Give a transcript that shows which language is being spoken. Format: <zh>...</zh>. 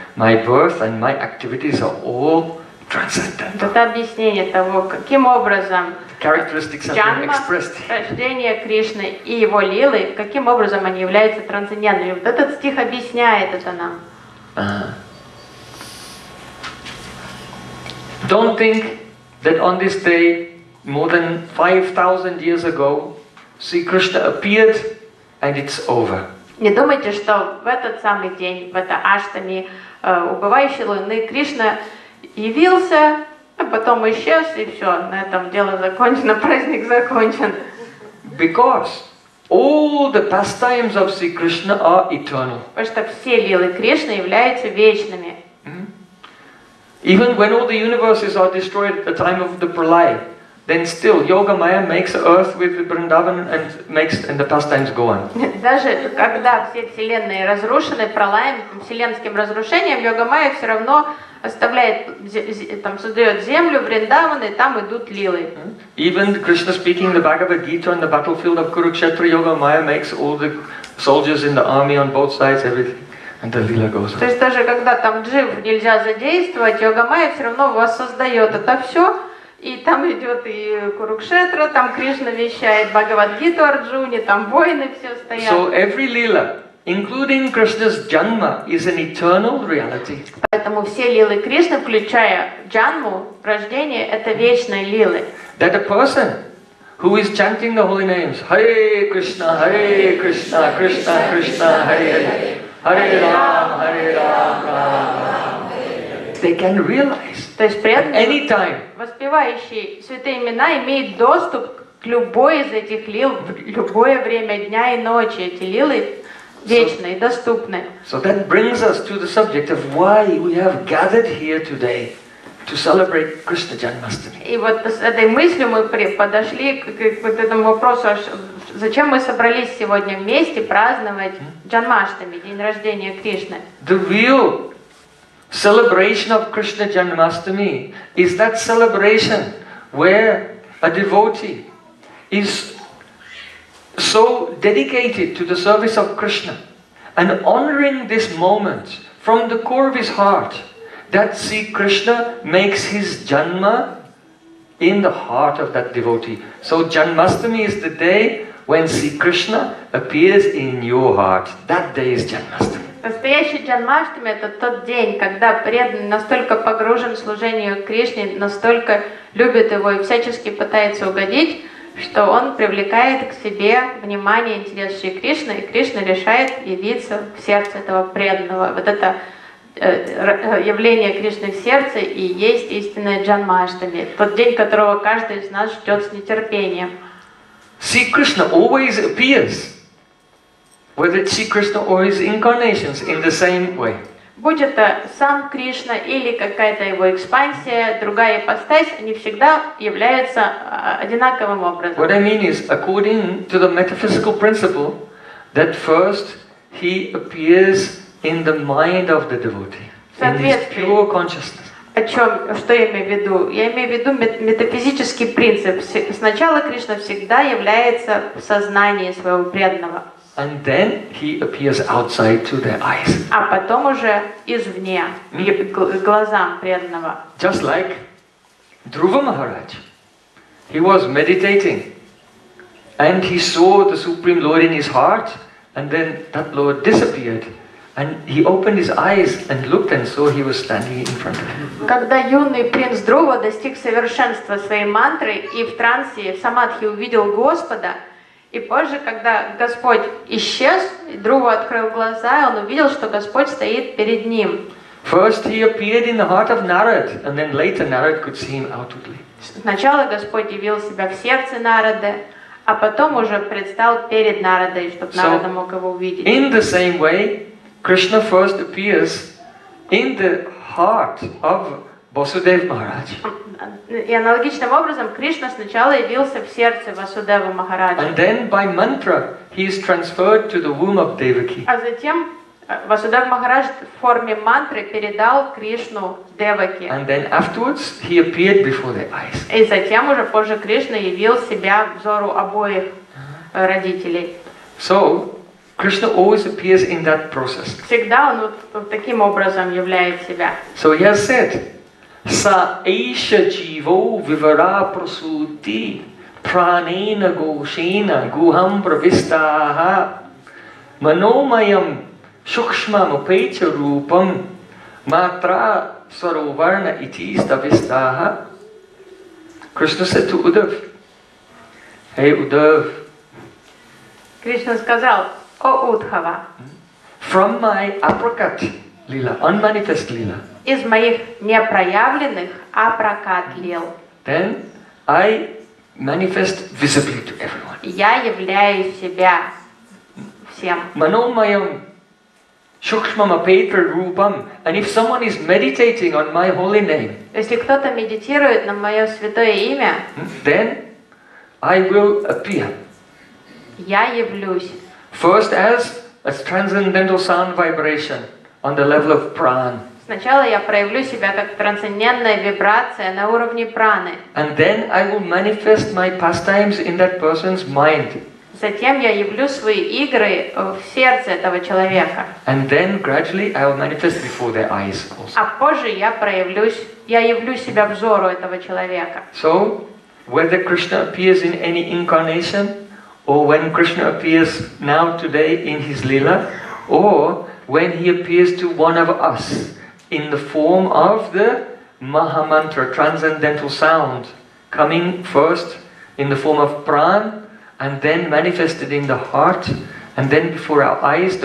<en>My birth and my activities are all transcendent.</en> <ru>Это объяснение того, каким образом</ru> <en>characteristics of Janma, expressed.</en> <ru>Рождение Кришны и его лилы, каким образом они являются трансцендентными. Вот этот стих объясняет это нам.</ru> <en>Don't think that on this day, more than 5,000 years ago, Sri Krishna appeared and it's over.</en> <ru>Не думайте, что в этот самый день, в это аштами убывающей луны, Кришна явился, а потом исчез, и все, на этом дело закончено, праздник закончен.</ru> <en>Because all the pastimes of Sri Krishna are eternal.</en> <ru>Потому что все лилы Кришны являются вечными.</ru> <en>Even when all the universes are destroyed at the time of the Pralaya, then still Yoga Maya makes earth with Vrindavan and makes and the pastimes go on.</en> <ru>Даже когда все вселенные разрушены Пралаем, вселенским разрушением, Йога Майя все равно оставляет, там создает землю, Вриндаван, и там идут лилы.</ru> <en>Even Krishna speaking the Bhagavad Gita on the battlefield of Kurukshetra, Yoga Maya makes all the soldiers in the army on both sides everything, and the lila goes on.</en> <ru>То есть даже когда там джив нельзя задействовать, Йога Майя все равно воссоздает это все, и там идет и Курукшетра, там Кришна вещает Бхагавад Гиту Арджуне, там воины все стоят.</ru> <en>So every lila, including Krishna's janma, is an eternal reality.</en> <ru>Поэтому все лилы Кришны, включая джанму, рождение, это вечные лилы.</ru> <en>That a person who is chanting the holy names, Hare Krishna, Hare Krishna, Krishna Krishna, Hare Hare, Hare Rama, Hare Rama, they can realize.</en> <ru>То есть преданный,</ru> <en>any time,</en> <ru>воспевающий святые имена, имеет доступ к любой из этих лил в любое время дня и ночи. Эти лилы вечные, доступны.</ru> <en>So that brings us to the subject of why we have gathered here today to to celebrate Krishna Janmashtami.</en> <ru>И вот с этой мыслью мы подошли к вот этому вопросу, зачем мы собрались сегодня вместе праздновать Джанмаштами, день рождения Кришны.</ru> <en>The real celebration of Krishna Janmashtami is that celebration where a devotee is so dedicated to the service of Krishna and honoring this moment from the core of his heart that Sri Krishna makes his janma in the heart of that devotee. So Janmashtami is the day when Sri Krishna appears in your heart. That day is Janmashtami.</en> <ru>Настоящий Джанмаштами — это тот день, когда преданный настолько погружен в служение Кришне, настолько любит его и всячески пытается угодить, что он привлекает к себе внимание, интерес Шри Кришны, и Кришна решает явиться в сердце этого преданного. Вот это явление Кришны в сердце и есть истинное Джанмаштами, тот день, которого каждый из нас ждет с нетерпением.</ru> <en>Шри Кришна always appears, whether it's Sri Krishna or his incarnations, in the same way.</en> <ru>Будь это сам Кришна или какая-то его экспансия, другая ипостась, они всегда являются одинаковым образом.</ru> <en>What I mean is, according to the metaphysical principle, that first he appears in the mind of the devotee, in his pure consciousness.</en> <ru>О чем, что я имею в виду? Я имею в виду метафизический принцип. Сначала Кришна всегда является в сознании своего преданного.</ru> <en>And then he appears outside to their eyes.</en> <ru>А потом уже извне, глазам преданного.</ru> <en>Just like Dhruva Maharaj. He was meditating. And he saw the Supreme Lord in his heart. And then that Lord disappeared. And he opened his eyes and looked and saw he was standing in front of him.</en> <ru>Когда юный принц Друва достиг совершенства своей мантры и в трансе, в самадхи увидел Господа, и позже, когда Господь исчез, Друва открыл глаза, и он увидел, что Господь стоит перед ним.</ru> <en>First he appeared in the heart of Narad, and then later Narad could see him outwardly.</en> <ru>Сначала Господь явил себя в сердце Нарады, а потом уже предстал перед Нарадой, чтобы Нарада мог его увидеть.</ru> <en>In the same way, Krishna first appears in the heart of Vasudev Maharaj.</en> <ru>И аналогичным образом Кришна сначала явился в сердце Васудевы Махараджи.</ru> <en>And then by mantra he is transferred to the womb of Devaki.</en> <ru>А затем Васудев Махарадж в форме мантры передал Кришну Деваки.</ru> <en>And then afterwards he appeared before their eyes.</en> <ru>И затем уже позже Кришна явил себя взору обоих родителей.</ru> <en>So Krishna always appears in that process.</en> <ru>Всегда он таким образом являет себя.</ru> <en>So he has said,</en> <sa>Са эйша чиво вивара прасути пранена гошена гухам правистаха маномаям шукшмам пэйча рупам матра сарубарна ити ставистаха.</sa> <en>Krishna said to Uddhav, Hey Uddhav.</en> <ru>Krishna сказал, О Удхава.</ru> <en>From my apricot lila, unmanifest lila.</en> <ru>Из моих непроявленных апракат лил.</ru> <en>Then I manifest visibly to everyone.</en> <ru>Я являю себя всем.</ru> <sa>Маномаям шукшмам апейтра рупам.</sa> <en>And if someone is meditating on my holy name,</en> <ru>если кто-то медитирует на мое святое имя,</ru> <en>then I will appear.</en> <ru>Я явлюсь.</ru> <en>First as a transcendental sound vibration on the level of prana.</en> <ru>Сначала я проявлю себя как трансцендентная вибрация на уровне праны.</ru> <en>And then I will manifest my pastimes in that person's mind.</en> <ru>Затем я явлю свои игры в сердце этого человека.</ru> <en>And then gradually I will manifest before their eyes also.</en> <ru>А позже я явлю себя взору этого человека.</ru> <en>So, whether Krishna appears in any incarnation, or when Krishna appears now today in his lila, or when he appears to one of us, in the form of the Maha Mantra, transcendental sound, coming first in the form of prana, and then manifested in the heart, and then before our eyes.</en>